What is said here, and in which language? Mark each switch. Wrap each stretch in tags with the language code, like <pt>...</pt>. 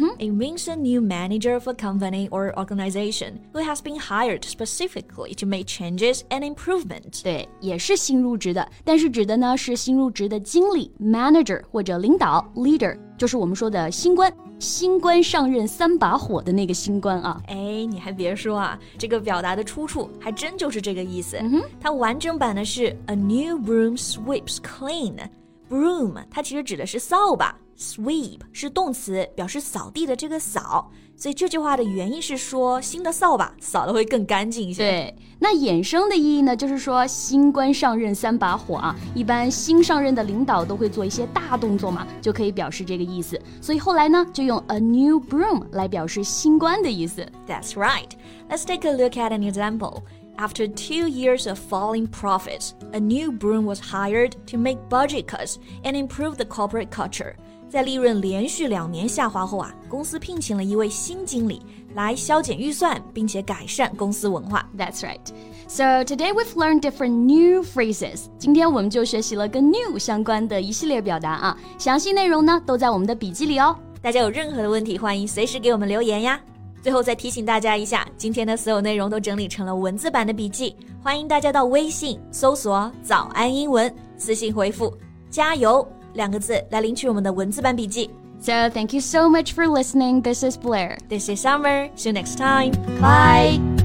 <en>It means a new manager of a company or organization who has been hired specifically to make changes and improvement.</en> <zh>对，也是新入职的，但是指的呢是新入职的经理 manager 或者领导 leader， 就是我们说的新官。新官上任三把火的那个新官啊。哎，你还别说啊，这个表达的出处还真就是这个意思。它完整版呢是</zh> <en>a new broom sweeps clean。</en> <zh>Broom, 它其实指的是扫把 Sweep 是动词表示扫地的这个扫所以这句话的原意是说新的扫把扫得会更干净一些对那衍生的意义呢就是说新官上任三把火啊一般新上任的领导都会做一些大动作嘛就可以表示这个意思所以后来呢就用</zh> <en>a new broom</en> <zh>来表示新官的意思</zh> <en>That's right Let's take a look at an examplesAfter 2 years of falling profits, a new broom was hired to make budget cuts and improve the corporate culture.</en> <zh>在利润连续两年下滑后啊，公司聘请了一位新经理来削减预算，并且改善公司文化。</zh> <en>That's right. So today we've learned different new phrases.</en> <zh>今天我们就学习了跟 new 相关的一系列表达啊。详细内容呢，都在我们的笔记里哦。大家有任何的问题，欢迎随时给我们留言呀。最后再提醒大家一下，今天的所有内容都整理成了文字版的笔记，欢迎大家到微信搜索“早安英文”，私信回复“加油”两个字来领取我们的文字版笔记。</zh> <en>So thank you so much for listening. This is Blair. This is Summer. See you next time. Bye.</en>